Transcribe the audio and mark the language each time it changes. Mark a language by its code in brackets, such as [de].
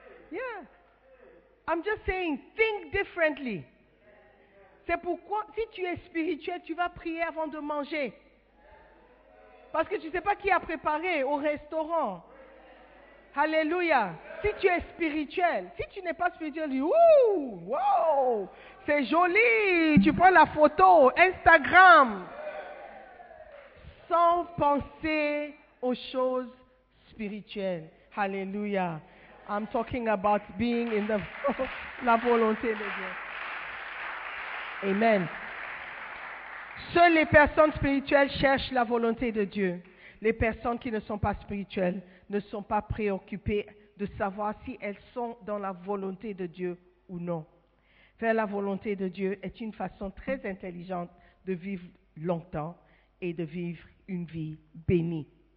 [en] Yeah. I'm just saying, think differently. [fr] C'est pourquoi, si tu es spirituel, tu vas prier avant de manger. Parce que tu ne sais pas qui a préparé au restaurant. Alléluia. Si tu es spirituel, si tu n'es pas spirituel, dis, ouh, wow, c'est joli, tu prends la photo, Instagram. Sans penser aux choses spirituelles. Alléluia. [en] I'm talking about being in the [fr] la volonté de Dieu. [en] Amen. [fr] Seules les personnes spirituelles cherchent la volonté de Dieu. Les personnes qui ne sont pas spirituelles ne sont pas préoccupées de savoir si elles sont dans la volonté de Dieu ou non. Faire la volonté de Dieu est une façon très intelligente de vivre longtemps et de vivre une vie bénie.